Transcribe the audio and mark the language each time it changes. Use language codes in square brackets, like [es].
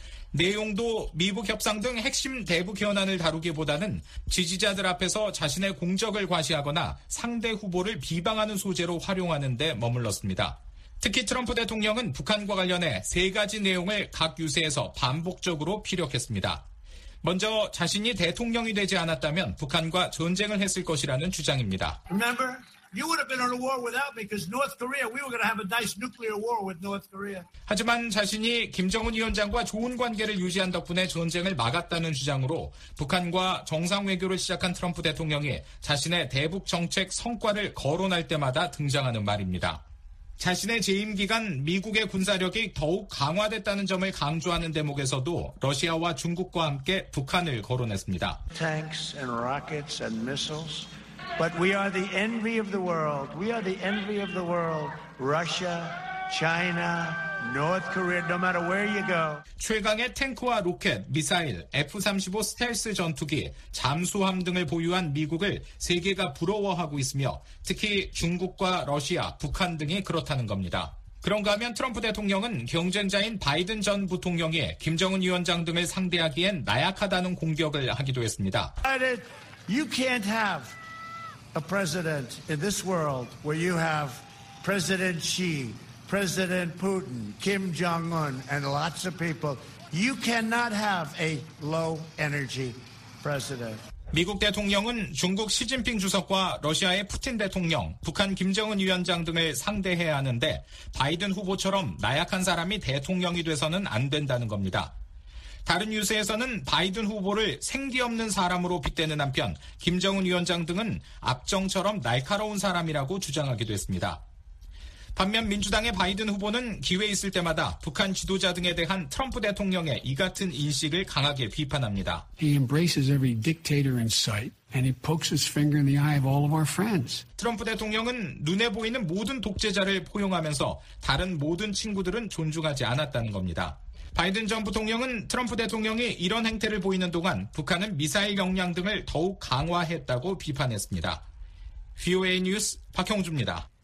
[ko] 내용도 미북 협상 등 핵심 대북 현안을 다루기보다는 지지자들 앞에서 자신의 공적을 과시하거나 상대 후보를 비방하는 소재로 활용하는 데 머물렀습니다. 특히 트럼프 대통령은 북한과 관련해 세 가지 내용을 각 유세에서 반복적으로 피력했습니다. 먼저 자신이 대통령이 되지 않았다면 북한과 전쟁을 했을 것이라는 주장입니다. [en] Remember? You would have been in a war without me because North Korea, we were going to have a nice nuclear war with North Korea. [ko] 하지만 자신이 김정은 위원장과 좋은 관계를 유지한 덕분에 전쟁을 막았다는 주장으로 북한과 정상 외교를 시작한 트럼프 대통령이 자신의 대북 정책 성과를 거론할 때마다 등장하는 말입니다. 자신의 재임 기간 미국의 군사력이 더욱 강화됐다는 점을 강조하는 대목에서도 러시아와 중국과 함께 북한을 거론했습니다. [en] Tanks and rockets and missiles. But we are the envy of the world. We are the envy of the world. Russia, China, North Korea, no matter where you go. [ko] 최강의 탱크와 로켓, 미사일, F-35 스텔스 전투기, 잠수함 등을 보유한 미국을 세계가 부러워하고 있으며 특히 중국과 러시아, 북한 등이 그렇다는 겁니다. 그런가 하면 트럼프 대통령은 경쟁자인 바이든 전 부통령이 김정은 위원장 등을 상대하기엔 나약하다는 공격을 하기도 했습니다. [en] You can't have a president in this world where you have President Xi, President Putin, Kim Jong-un, and lots of people. You cannot have a low-energy president. [ko] 미국 대통령은 중국 시진핑 주석과 러시아의 푸틴 대통령, 북한 김정은 위원장 등을 상대해야 하는데 바이든 후보처럼 나약한 사람이 대통령이 돼서는 안 된다는 겁니다. 다른 뉴스에서는 바이든 후보를 생기 없는 사람으로 빗대는 한편 김정은 위원장 등은 압정처럼 날카로운 사람이라고 주장하기도 했습니다. 반면 민주당의 바이든 후보는 기회 있을 때마다 북한 지도자 등에 대한 트럼프 대통령의 이 같은 인식을 강하게 비판합니다. [en] He embraces every dictator in sight and he pokes his finger in the eye of all of our friends. [ko] 트럼프 대통령은 눈에 보이는 모든 독재자를 포용하면서 다른 모든 친구들은 존중하지 않았다는 겁니다. 바이든 전 부통령은 트럼프 대통령이 이런 행태를 보이는 동안 북한은 미사일 역량 등을 더욱 강화했다고 비판했습니다. VOA 뉴스 박형주입니다.